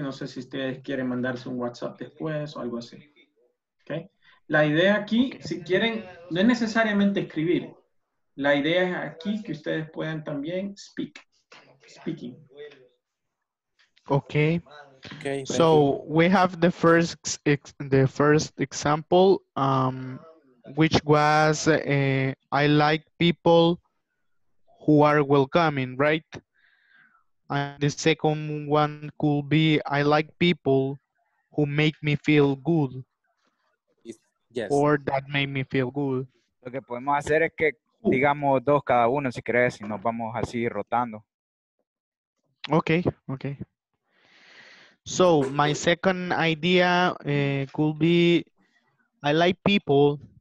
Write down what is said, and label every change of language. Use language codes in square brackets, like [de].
[es] No sé si ustedes quieren mandarse un WhatsApp después o algo así. Okay. La idea aquí, si quieren, no es necesariamente escribir. La idea es aquí que ustedes puedan también speaking. [en] Okay. Okay. So we have the first example, which was I like people who are welcoming, right? And the second one could be I like people who make me feel good. Yes. Or that made me feel good. [es] Lo que podemos hacer es que digamos dos cada uno si crees y nos vamos así rotando. [en] Okay, okay. So my second idea could be I like people.